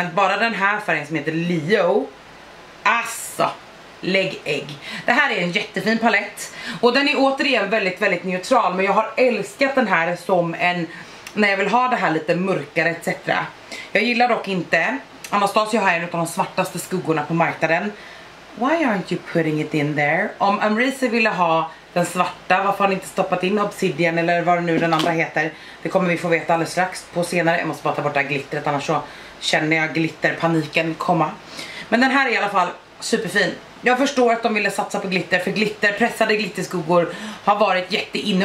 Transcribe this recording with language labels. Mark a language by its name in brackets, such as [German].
[Swedish] Men bara den här färgen som heter Leo. Asså, lägg ägg. Det här är en jättefin palett. Och den är återigen väldigt, väldigt neutral. Men jag har älskat den här som en, när jag vill ha det här lite mörkare etc. Jag gillar dock inte Anastasia har en av de svartaste skuggorna på marknaden. [English] Why aren't you putting it in there? [Swedish] Om Amreezy ville ha den svarta, varför har ni inte stoppat in Obsidian eller vad nu den andra heter? Det kommer vi få veta alldeles strax på senare. Jag måste bara ta bort det här glittret, annars så känner jag glitterpaniken komma. Men den här är i alla fall superfin. Jag förstår att de ville satsa på glitter, för glitter, pressade glitterskuggor har varit jätteinne.